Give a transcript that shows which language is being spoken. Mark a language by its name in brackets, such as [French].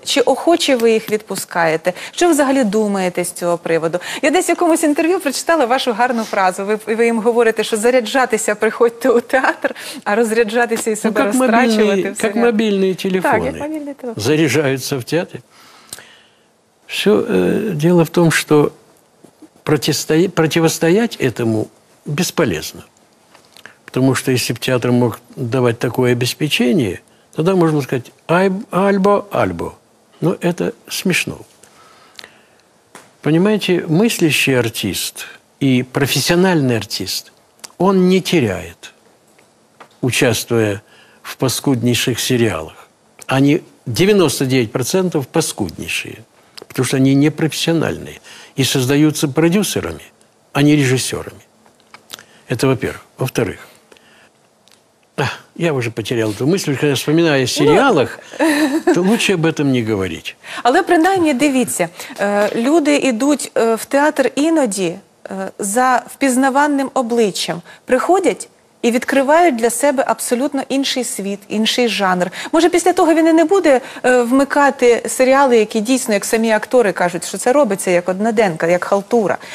[Ukrainian] Чи охоче ви їх відпускаєте? Що ви взагалі думаєте з цього приводу? Я десь в якомусь інтерв'ю прочитала вашу гарну фразу. Ви їм говорите, що заряджатися приходьте у театр, а розряджатися і себе розтрачувати в серіалі. Як мобільні телефони. Так, як мобільні телефони. Заряджаються в театрі. [Russian] Все дело в том, что противостоять этому бесполезно. Потому что если бы театр мог давать такое обеспечение, тогда можно сказать «альбо, альбо». Но это смешно. Понимаете, мыслящий артист и профессиональный артист, он не теряет, участвуя в паскуднейших сериалах. Они 99% паскуднейшие. Потому что они непрофессиональные и создаются продюсерами, а не режиссерами. Это во-первых. Во-вторых, я уже потерял эту мысль, когда вспоминаю о сериалах, то лучше об этом не говорить. [Ukrainian] Але принаймні, дивіться, люди йдуть в театр іноді за впізнаваним обличчям. Приходять і відкривають для себе абсолютно інший світ, інший жанр. Може, після того він і не буде вмикати серіали, які дійсно, як самі актори кажуть, що це робиться як одноденка, як халтура.